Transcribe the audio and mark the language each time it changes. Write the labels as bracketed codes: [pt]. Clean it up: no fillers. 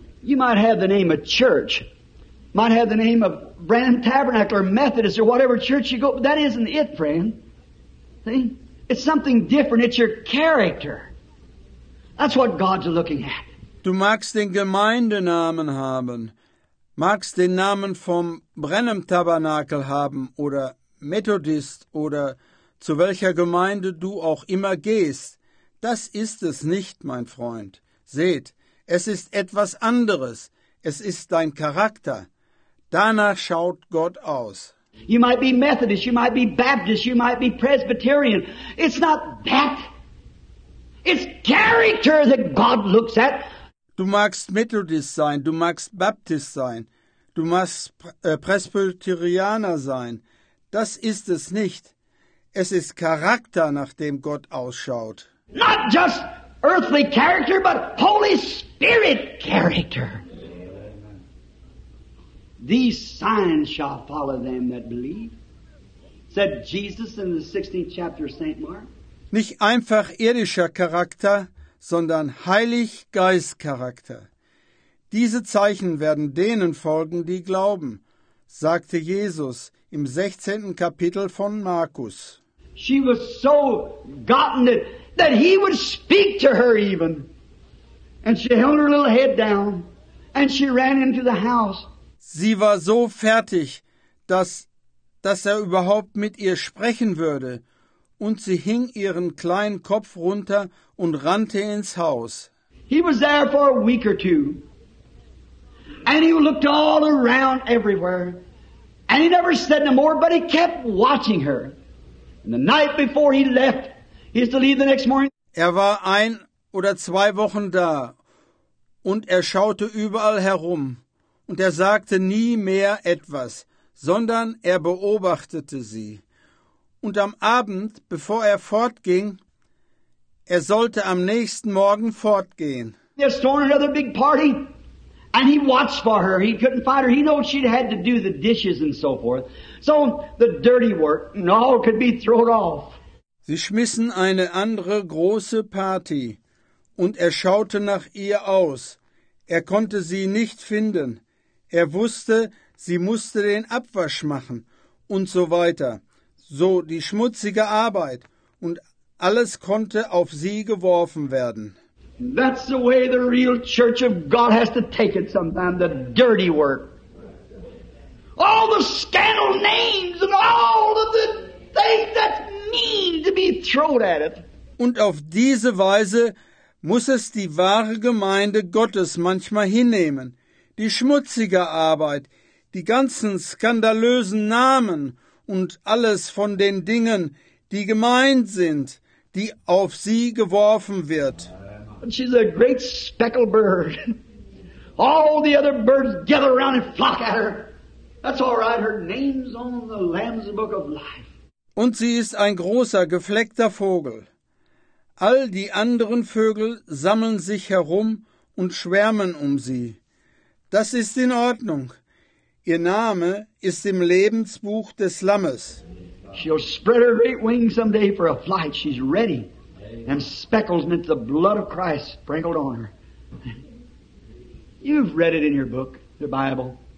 [en] You might have the name of church, might have the name of Branham Tabernacle or Methodist or whatever church you go, but that isn't it, friend. See? It's something different. It's your character. That's what God's looking at. [de] Du magst den Gemeindenamen haben, magst den Namen vom Branham Tabernacle haben oder Methodist oder zu welcher Gemeinde du auch immer gehst. Das ist es nicht, mein Freund. Seht, es ist etwas anderes. Es ist dein Charakter. Danach schaut Gott aus. [en] You might be Methodist, you might be Baptist, you might be Presbyterian. It's not that. It's character that God looks at. [de] Du magst Methodist sein, du magst Baptist sein, du magst Presbyterianer sein. Das ist es nicht. Es ist Charakter, nach dem Gott ausschaut. [en] Not just earthly character, but Holy Spirit character. These signs shall follow them that believe, said Jesus in the 16th chapter of St. Mark. [de] Nicht einfach irdischer Charakter, sondern Heilig-Geist-Charakter. Diese Zeichen werden denen folgen, die glauben, sagte Jesus im 16. Kapitel von Markus. [en] She was so gotten it, that he would speak to her even. And she held her little head down, and she ran into the house. [de] Sie war so fertig, dass überhaupt mit ihr sprechen würde, und sie hing ihren kleinen Kopf runter und rannte ins Haus. [en] He was there for a week or two, and he looked all around everywhere, and he never said no more, but he kept watching her. And the night before he left, he used to leave the next morning. [de] War ein oder zwei Wochen da, und schaute überall herum. Und sagte nie mehr etwas, sondern beobachtete sie. Und am Abend, bevor fortging, sollte am nächsten Morgen fortgehen. [en] He was throwing another big party, and he watched for her. He couldn't find her. He knew she'd had to do the dishes and so forth. So the dirty work and all could be thrown off. [de] Sie schmissen eine andere große Party, und schaute nach ihr aus. Konnte sie nicht finden. Wusste, sie musste den Abwasch machen und so weiter. So die schmutzige Arbeit, und alles konnte auf sie geworfen werden. [en] That's the way the real church of God has to take it sometimes, the dirty work. All the scandal names and all of the things that mean to be thrown at it. [de] Und auf diese Weise muss die wahre Gemeinde Gottes manchmal hinnehmen. Die schmutzige Arbeit, die ganzen skandalösen Namen und alles von den Dingen, die gemeint sind, die auf sie geworfen wird. [en] And she's a great speckled bird. All the other birds gather around and flock at her. That's all right. Her name's on the Lamb's Book of Life. [de] Und sie ist ein großer, gefleckter Vogel. All die anderen Vögel sammeln sich herum und schwärmen um sie. Das ist in Ordnung. Ihr Name ist im Lebensbuch des Lammes. [en] She'll spread her great wings someday for a flight. She's ready. And speckles into the blood of Christ sprinkled on her. You've read it in your book, the Bible.